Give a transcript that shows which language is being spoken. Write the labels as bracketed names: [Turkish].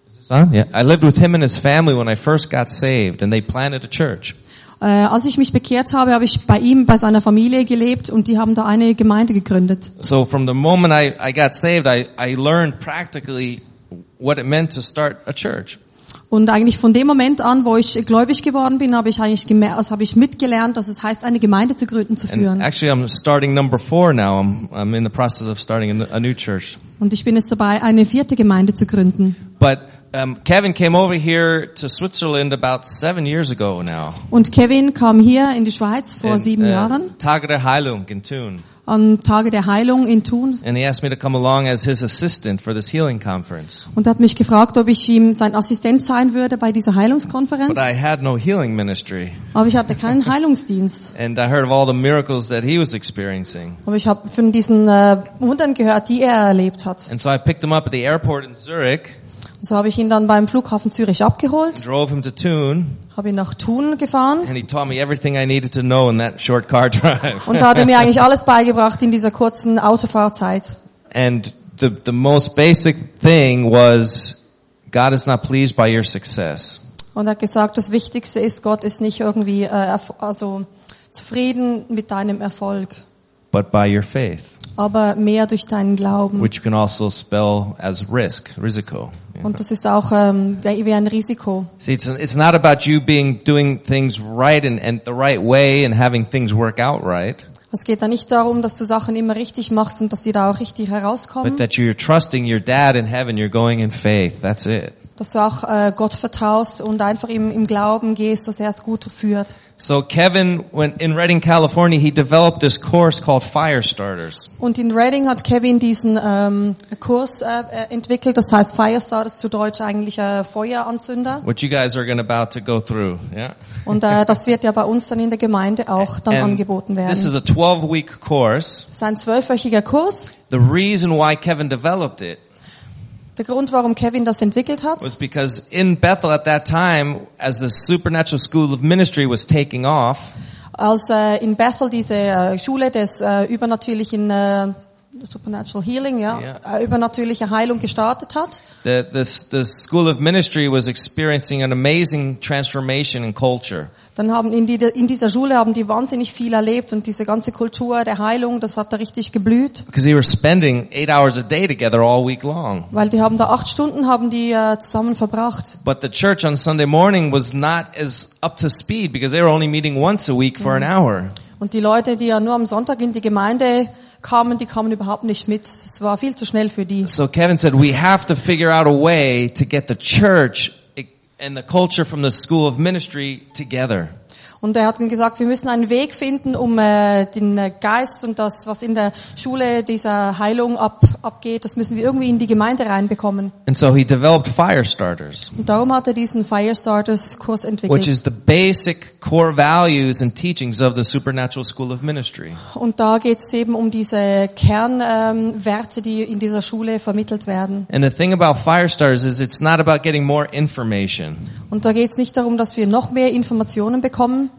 [English] I lived with him and his family when I first got saved and they planted a church. [German] Als ich mich bekehrt habe, habe ich bei ihm, bei seiner Familie gelebt und die haben da eine Gemeinde gegründet. [English] So from the moment I got saved, I learned practically what it meant to start a church. [German] Und eigentlich von dem Moment an, wo ich gläubig geworden bin, habe ich eigentlich mitgelernt, dass es heißt, eine Gemeinde zu gründen, zu führen. [English] And actually, I'm starting number four now. I'm in the process of starting a new church. [German] Und ich bin jetzt dabei, eine vierte Gemeinde zu gründen. [English] But Kevin came over here to Switzerland about 7 years ago now. [German] Und Kevin kam hier in die Schweiz vor sieben Jahren. Tage der Heilung in Thun. An Tage der Heilung in Thun. [English] And he asked me to come along as his assistant for this healing conference. [German] Und hat mich gefragt, ob ich ihm sein Assistent sein würde bei dieser Heilungskonferenz. [English] But I had no healing ministry. [German] Aber ich hatte keinen Heilungsdienst. [English] And I heard of all the miracles that he was experiencing. [German] Aber ich habe von diesen Wundern gehört, die er erlebt hat. [English] And so I picked him up at the airport in Zurich. [German] Und so habe ich ihn dann beim Flughafen Zürich abgeholt. [English] Drove him to Thun. [German] Habe ihn nach Thun gefahren. [English] And he taught me everything I needed to know in that short car drive. [German] Und da hat er mir eigentlich alles beigebracht in dieser kurzen Autofahrzeit. [English] And the most basic thing was, God is not pleased by your success. [German] Und er hat gesagt, das Wichtigste ist, Gott ist nicht irgendwie also zufrieden mit deinem Erfolg. [English] But by your faith. [German] Aber mehr durch deinen Glauben. [English] Which you can also spell as risk, risico. [German] Und das ist auch wie ein Risiko. [English] See, it's not about you being doing things right and the right way and having things work out right. [German] Es geht da nicht darum, dass du Sachen immer richtig machst und dass sie da auch richtig herauskommen. [English] But that you're trusting your dad in heaven, you're going in faith. That's it. [German] Dass du auch Gott vertraust und einfach im Glauben gehst, dass er es gut führt. [English] So Kevin, in Redding, California, he developed this course called Fire Starters. [German] Und in Redding hat Kevin diesen Kurs entwickelt, das heißt Fire Starters, zu Deutsch eigentlich Feueranzünder. [English] What you guys are gonna about to go through, yeah? [German] Und das wird ja bei uns dann in der Gemeinde auch dann angeboten werden. [English] This is a 12-week course. [German] Das ist ein 12-wöchiger Kurs. [English] The reason why Kevin developed it. [German] Der Grund, warum Kevin das entwickelt hat, [English] was because in Bethel at that time, as the supernatural school of ministry was taking off, [German] als in Bethel diese Schule des übernatürlichen [English] supernatural healing, [German] ja, übernatürliche Heilung gestartet hat, [English] the school of ministry was experiencing an amazing transformation in culture. [German] Dann haben in dieser Schule haben die wahnsinnig viel erlebt und diese ganze Kultur der Heilung, das hat da richtig geblüht. [English] Because they were spending 8 hours a day together all week long. [German] Weil die haben da 8 Stunden haben die zusammen verbracht. [English] But the church on Sunday morning was not as up to speed because they were only meeting once a week for an hour. [German] Und die Leute, die ja nur am Sonntag in die Gemeinde kamen, die kamen überhaupt nicht mit. Es war viel zu schnell für die. [English] So Kevin said, we have to figure out a way to get the church and the culture from the school of ministry together. [German] Und er hat dann gesagt, wir müssen einen Weg finden, um den Geist und das, was in der Schule dieser Heilung abgeht, das müssen wir irgendwie in die Gemeinde reinbekommen. [English] And so he developed Fire Starters. [German] Und darum hat er diesen Fire Starters Kurs entwickelt. [English] Which is the basic core values and teachings of the supernatural school of ministry. [German] Und da geht's eben um diese Kernwerte, die in dieser Schule vermittelt werden. [English] And the thing about Fire Starters is it's not about getting more information. [German] Und da geht's nicht darum, dass wir noch mehr Informationen bekommen.